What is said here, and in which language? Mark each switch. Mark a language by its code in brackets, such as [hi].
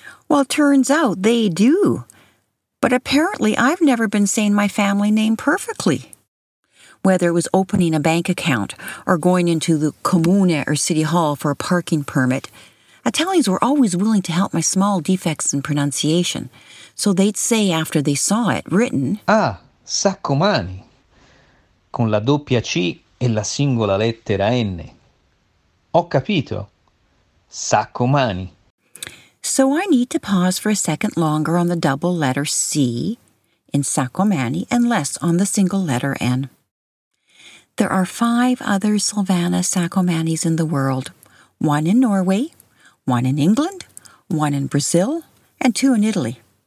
[en] Well, turns out they do. But apparently I've never been saying my family name perfectly. Whether it was opening a bank account or going into the comune or city hall for a parking permit, Italians were always willing to help my small defects in pronunciation. So they'd say after they saw it written, [it] Ah, Saccomani, con la doppia C e la singola lettera N. Ho capito. Saccomani. [en] So I need to pause for a second longer on the double letter C in Sacomani and less on the single letter N. There are five other Silvana Sacomanis in the world, one in Norway, one in England, one in Brazil, and two in Italy.